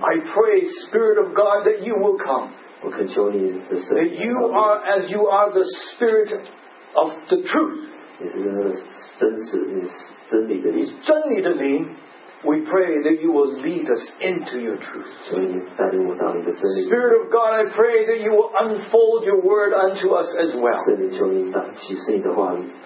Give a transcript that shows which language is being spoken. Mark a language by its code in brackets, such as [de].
[en] I pray, Spirit of God, that you will come. [zh] 我恳求你的圣灵。 [en] You are as you are the spirit of the truth. [zh] 你是那个真实，你是真理的灵。真理的灵 [en] ，We pray that you will lead us into your truth. [zh] 所以带领我到你的真理。 [en] Spirit of God, I pray that you will unfold your word unto us as well. [zh] 圣灵，求你打启你的话语。